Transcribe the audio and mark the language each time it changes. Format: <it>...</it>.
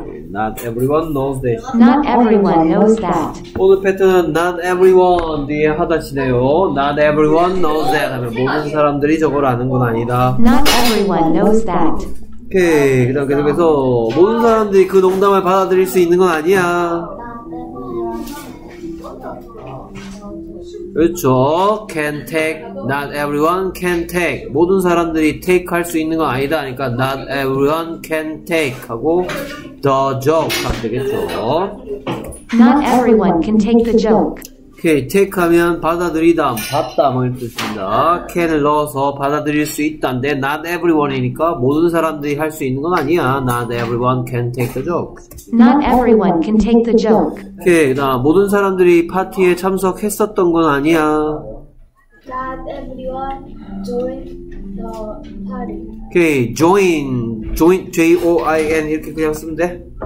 <ko>나한테</ko> <en>not everyone knows that. Not everyone knows that.</en> <ko>오늘 패턴은</ko> <en>not everyone</en> <ko>뒤에 하다시네요.</ko> <en>Not everyone knows that.</en> <ko>하면 모든 사람들이 저걸 아는 건 아니다.</ko> <en>Not everyone knows that.</en> <ko>오케이, 그 다음 계속해서 모든 사람들이 그 농담을 받아들일 수 있는 건 아니야. 그렇죠.</ko> <en>Can take, not everyone can take.</en> <ko>모든 사람들이 take 할 수 있는 건 아니다. 그러니까</ko> <en>not everyone can take</en> <ko>하고</ko> <en>the joke</en> <ko>하면 되겠죠.</ko> <en>Not everyone can take the joke.</en> <ko>오케이, take 하면 받아들이다, 받다 뭐 이런 뜻입니다. can을 넣어서 받아들일 수 있다인데</ko> <en>not everyone</en> <ko>이니까 모든 사람들이 할 수 있는 건 아니야.</ko> <en>not everyone can take the joke. not everyone can take the joke.</en> <ko>오케이, 나 모든 사람들이 파티에 참석했었던 건 아니야.</ko> <en>not everyone joined the party.</en> <ko>오케이, join, J-O-I-N 이렇게 그냥 쓰면 돼.</ko>